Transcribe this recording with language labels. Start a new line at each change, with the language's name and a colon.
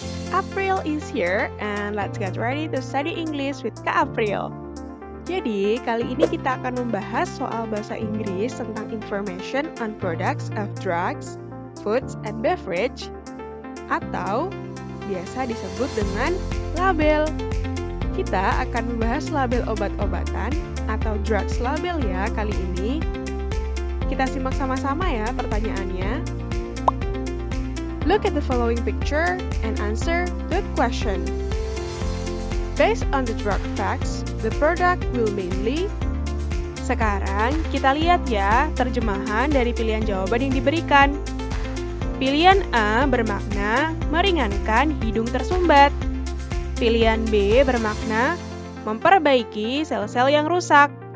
English: April is here and let's get ready to study English with Kak April.
Indonesian: Jadi, kali ini kita akan membahas soal bahasa Inggris tentang
English: information on products of drugs, foods, and beverage
Indonesian: atau biasa disebut dengan label. Kita akan membahas label obat-obatan atau drugs label ya kali ini. Kita simak sama-sama ya pertanyaannya.
English: Look at the following picture and answer the question. Based on the drug facts, the product will mainly...
Indonesian: Sekarang kita lihat ya terjemahan dari pilihan jawaban yang diberikan. Pilihan A bermakna meringankan hidung tersumbat. Pilihan B bermakna memperbaiki sel-sel yang rusak.